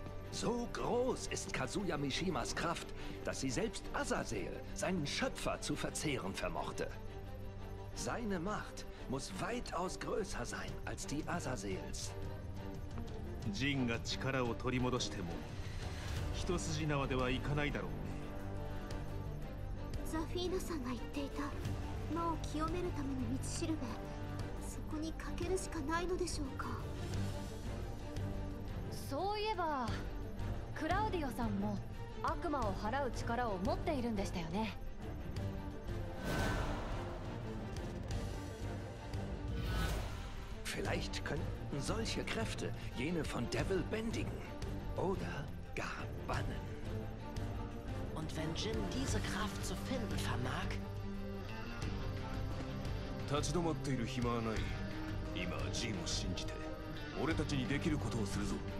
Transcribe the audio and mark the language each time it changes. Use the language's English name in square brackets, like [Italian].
[German] So groß ist Kazuya Mishimas Kraft, dass sie selbst Azazel, seinen Schöpfer, zu verzehren vermochte. Seine Macht muss weitaus größer sein als die Azazels. [Japanese] Jin が力を取り戻しても、一筋縄ではいかないだろうね。ザフィーナさんが言っていた魔を清めるための道しるべ、そこにかけるしかないのでしょうか。そういえばクラウディオさんも悪魔を払う力を持っているんでしたよね。 [German] Vielleicht könnten solche Kräfte jene von Devil bändigen oder gar bannen. Und wenn Jin diese Kraft zu finden vermag? [Japanese] 立ち止まっている暇はない。今はジンを信じて、俺たちにできることをするぞ。